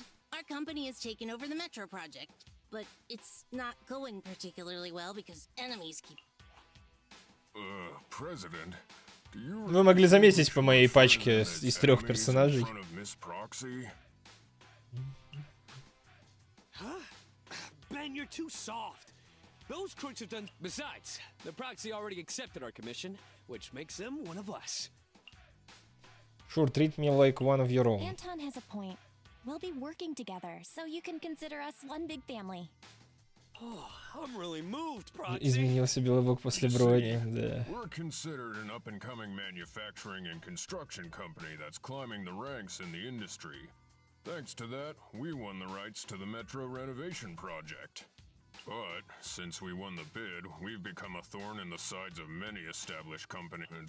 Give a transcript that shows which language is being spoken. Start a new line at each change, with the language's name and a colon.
English: Our company has taken over the Metro project, but it's not going particularly well because enemies keep. President, do you?
Russian: Вы могли заметить по моей пачке из трех персонажей?
English: Ben, you're too soft. Those crooks have done. Besides, the proxy already accepted our commission, which makes them one of us. Sure, treat me like one of your own. Anton has a point. We'll be working together, so you can consider us one big family. Oh, I'm really moved, Proxy.
Russian: Изменился Белобок после брони, да.
English: We're considered an up-and-coming manufacturing and construction company that's climbing the ranks in the industry. Thanks to that, we won the rights to the Metro renovation project. But since we won the bid, we've become a thorn in the sides of many established companies.